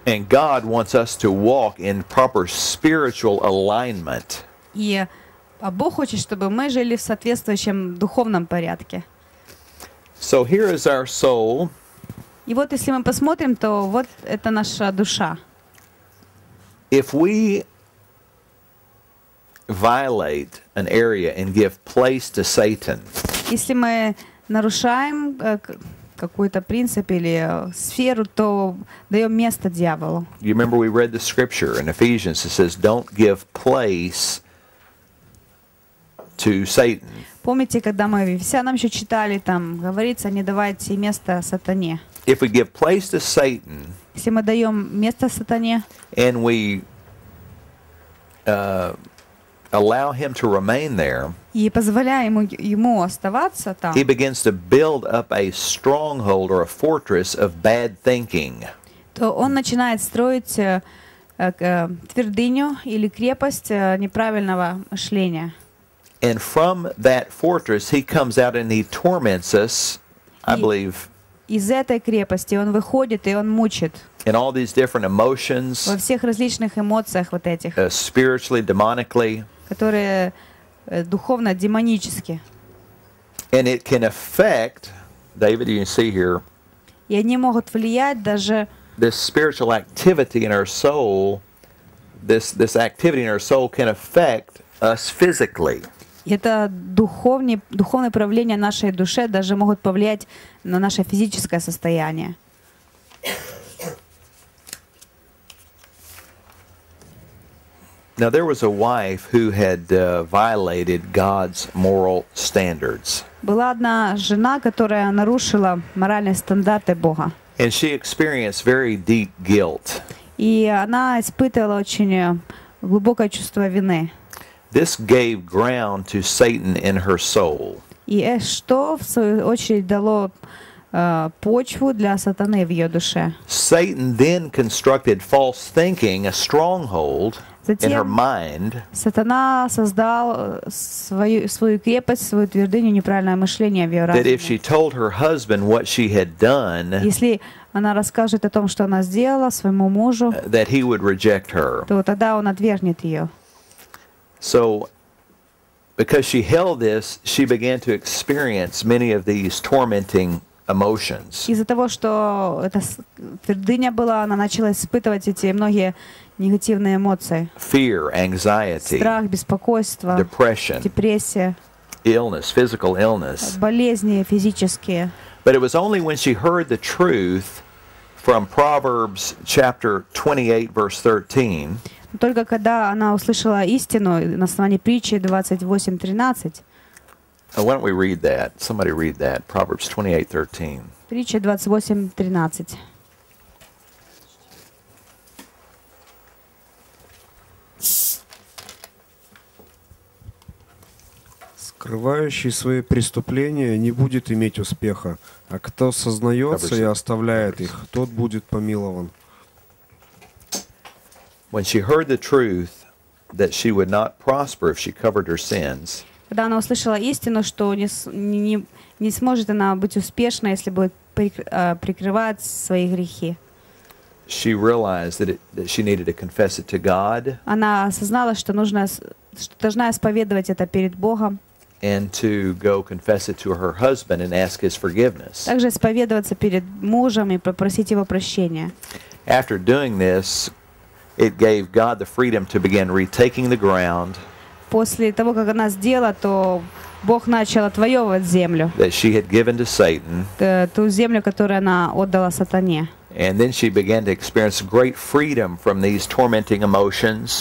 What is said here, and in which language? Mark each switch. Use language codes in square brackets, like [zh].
[en] And God wants us to walk in proper spiritual alignment. [ru] И Бог хочет, чтобы мы жили в соответствующем духовном порядке. [en] So here is our soul. [ru] И вот если мы посмотрим, то вот это наша душа. [en] If we violate an area and give place to Satan. [ru] Если мы нарушаем какой-то принцип или сферу, то даем место дьяволу. [en] You remember we read the scripture in Ephesians. It says, "Don't give place to Satan." [ru] Помните, когда мы в Ефесянам еще читали, там говорится, не давайте место сатане. [en] If we give place to Satan, [ru] если мы даем место сатане, [en] and we allow him to remain there, [ru] и позволяем ему оставаться там, [en] he begins to build up a stronghold or a fortress of bad thinking. [ru] То он начинает строить твердыню или крепость неправильного мышления. [en] And from that fortress, he comes out and he torments us, I believe. [ru] Из этой крепости он выходит и он мучит. [en] In all these different emotions. [ru] Во всех различных эмоциях вот этих. [en] Spiritually, demonically. [ru] Которые духовно демонически. [en] And it can affect, David, you can see here. [ru] И они могут влиять даже. [en] This spiritual activity in our soul, this activity in our soul can affect us physically. [ru] Это духовное правление нашей души даже могут повлиять на наше физическое состояние. [en] Now there was a wife who had violated God's moral standards. [ru] Была одна жена, которая нарушила моральные стандарты Бога. [en] And she experienced very deep guilt. [ru] И она испытывала очень глубокое чувство вины. [en] This gave ground to Satan in her soul. [ru] И что в свою очередь дало почву для сатаны в ее душе. [en] Satan then constructed false thinking, a stronghold. [ru] Затем [en] in her mind, [ru] сатана создал свою крепость, свою твердыню, неправильное мышление в ее разуме. [en] That if she told her husband what she had done, [ru] если она расскажет о том, что она сделала своему мужу, [en] that he would reject her. [ru] То тогда он отвергнет ее. [en] So, because she held this, she began to experience many of these tormenting emotions. [ru] Из-за того, что эта твердыня была, она начала испытывать эти многие негативные эмоции. [en] Fear, anxiety, [ru] страх, беспокойство, [en] depression, [ru] депрессия, [en] illness, physical illness, [ru] болезни физические. [en] But it was only when she heard the truth from Proverbs chapter 28, verse 13. [ru] Только когда она услышала истину на основании притчи 28:13. [en] Why don't we read that? Somebody read that. Proverbs 28:13. [ru] Притча 28:13. Скрывающий свои преступления не будет иметь успеха, а кто сознается и оставляет их, тот будет помилован. [en] When she heard the truth that she would not prosper if she covered her sins. [ru] Когда она услышала истину, что не сможет она быть успешной, если будет прикрывать свои грехи. [en] She realized that she needed to confess it to God. [ru] Она осознала, что нужно, что должна исповедовать это перед Богом. [en] And to go confess it to her husband and ask his forgiveness. [ru] Также исповедоваться перед мужем и попросить его прощения. [en] After doing this, it gave God the freedom to begin retaking the ground. [ru] После того, как она сделала, то Бог начал отвоевывать землю. [en] That she had given to Satan. [ru] Ту землю, которую она отдала сатане. [en] And then she began to experience great freedom from these tormenting emotions.